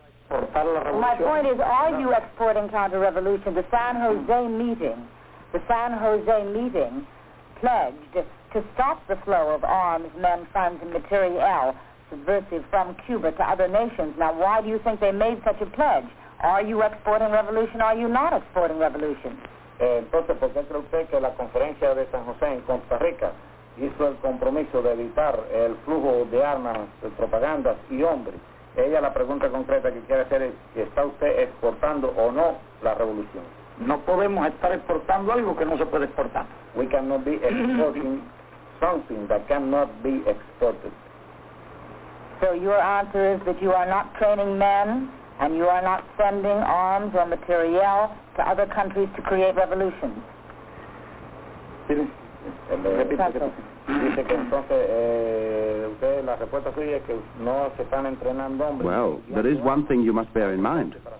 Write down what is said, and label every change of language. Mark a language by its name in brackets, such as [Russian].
[English] My point is, are you exporting counter-revolution? The San Jose meeting, pledged to stop the flow of arms, men, funds, and materiel subversive from Cuba to other nations. Now, why do you think they made such a pledge? Are you exporting revolution? Are you not exporting revolution? [Spanish] Entonces, ¿por qué cree usted que la conferencia de San José en Costa Rica hizo el compromiso de evitar el flujo de armas, de propagandas y hombres? Ella, la pregunta concreta que quiere hacer es si está usted exportando o no la revolución. No podemos estar exportando algo que no se puede exportar. [English] We cannot be exporting something that cannot be exported. So your answer is that you are not training men and you are not sending arms or materiel to other countries to create revolutions. Well, there is one thing you must bear in mind.